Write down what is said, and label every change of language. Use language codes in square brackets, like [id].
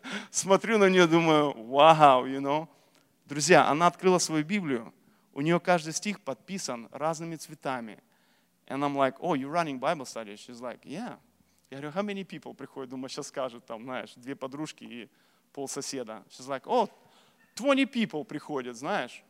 [ru] смотрю на нее, думаю, вау, [en] you know. [ru] Друзья, она открыла свою Библию. У нее каждый стих подписан разными цветами. [en] And I'm like, oh, you're running Bible study? She's like, yeah. [ru] Я говорю, [en] how many people [ru] приходят? Думаю, сейчас скажут, там, знаешь, две подружки и полсоседа. [en] She's like, oh, 20 people [ru] приходят, знаешь.